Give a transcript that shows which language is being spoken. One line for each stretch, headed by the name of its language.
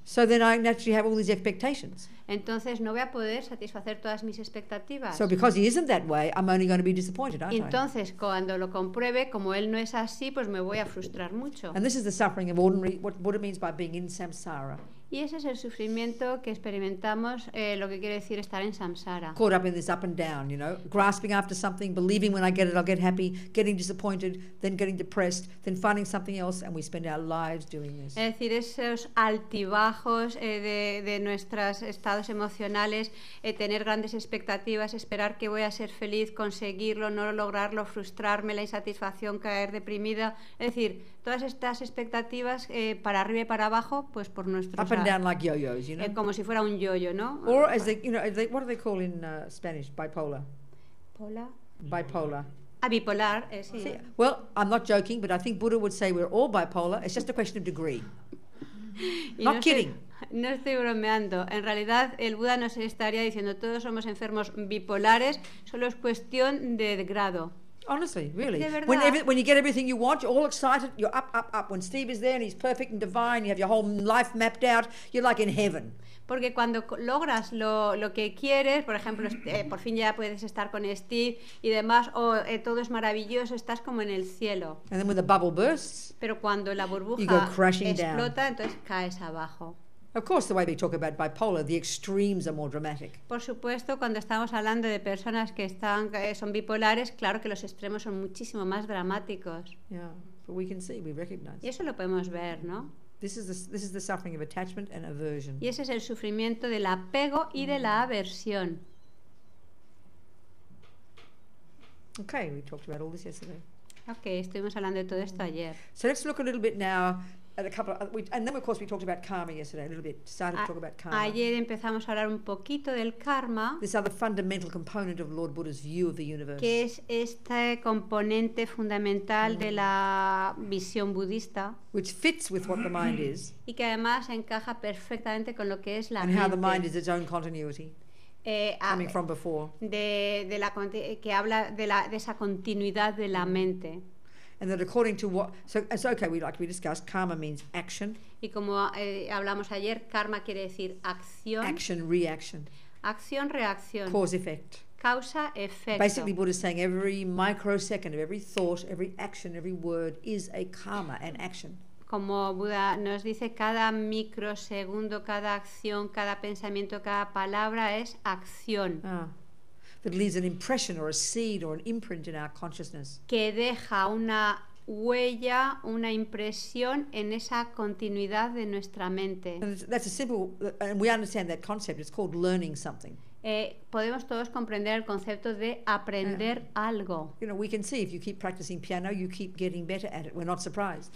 English: So then I naturally have all these expectations.
Spanish: Entonces no voy a poder satisfacer todas mis expectativas.
English: So because he isn't that way, I'm only going to be disappointed, aren't
Spanish: Entonces, Entonces cuando lo compruebe, como él no es así, pues me voy a frustrar mucho.
English: And this is the suffering of ordinary what it means by being in samsara.
Spanish: Y ese es el sufrimiento que experimentamos, lo que quiere decir estar en samsara.
English: Caught up in this up and down, you know, grasping after something, believing when I get it I'll get happy, getting disappointed, then getting depressed, then finding something else, and we spend our lives doing this.
Spanish: Es decir, esos altibajos de nuestros estados emocionales, tener grandes expectativas, esperar que voy a ser feliz, conseguirlo, no lograrlo, frustrarme, la insatisfacción, caer deprimida. Es decir, todas estas expectativas para arriba y para abajo, pues por nuestro
English: up and down like yo-yos, you know.
Spanish: Como si fuera un yo-yo, ¿no?
English: Or as they, you know, they, what do they call in Spanish? Bipolar.
Spanish: Bipolar. A bipolar, sí.
English: See, well, I'm not joking, but I think Buddha would say we're all bipolar. It's just a question of degree. Not no kidding.
Spanish: No estoy bromeando. En realidad, el Buda nos estaría diciendo todos somos enfermos bipolares. Solo es cuestión de grado.
English: Honestly, really.
Spanish: De verdad.
English: When you get everything you want, you're all excited, you're up. When Steve is there and he's perfect and divine, you have your whole life mapped out, you're like in heaven.
Spanish: Porque cuando logras lo que quieres, por ejemplo, por fin ya puedes estar con Steve y demás, todo es maravilloso, estás como en el cielo.
English: And then when the bubble bursts,
Spanish: pero cuando la burbuja
English: you go crashing
Spanish: explota,
English: down.
Spanish: Entonces caes abajo.
English: Of course, the way they talk about bipolar, the extremes are more dramatic.
Spanish: Por supuesto, cuando estamos hablando de personas que están son bipolares, claro que los extremos son muchísimo más dramáticos.
English: Yeah, but we can see, we recognize.
Spanish: Y eso lo podemos ver, ¿no?
English: This is the suffering of attachment and aversion.
Spanish: Y ese es el sufrimiento del apego y de la aversión.
English: Okay, we talked about all this yesterday.
Spanish: Okay, estuvimos hablando de todo esto ayer.
English: So let's look a little bit now And a couple of, and then of course we talked about karma yesterday a little bit. Started to talk about karma.
Spanish: Ayer empezamos a hablar un poquito del karma.
English: This other fundamental component of Lord Buddha's view of the universe.
Spanish: Que es este componente fundamental de la visión budista.
English: Which fits with what the mind is.
Spanish: Y que además encaja perfectamente con lo que es la
English: and
Spanish: mente.
English: And how the mind is its own continuity. Coming from before.
Spanish: De la que habla de esa continuidad de la mente.
English: And that according to what, so okay, we discussed karma means action.
Spanish: Y como hablamos ayer, karma quiere decir acción.
English: Action, reaction.
Spanish: Acción, reacción.
English: Cause, effect.
Spanish: Causa, efecto.
English: Basically, Buddha is saying every microsecond of every thought, every action, every word is a karma, an action.
Spanish: Como Buda nos dice, cada microsegundo, cada acción, cada pensamiento, cada palabra es acción. Ah.
English: That leaves an impression or a seed or an imprint in our consciousness.
Spanish: Que deja una huella, una impresión en esa continuidad de nuestra mente.
English: And that's a simple, and we understand that concept. It's called learning something.
Spanish: Podemos todos comprender el concepto de aprender algo.
English: You know, we can see if you keep practicing piano, you keep getting better at it. We're not surprised.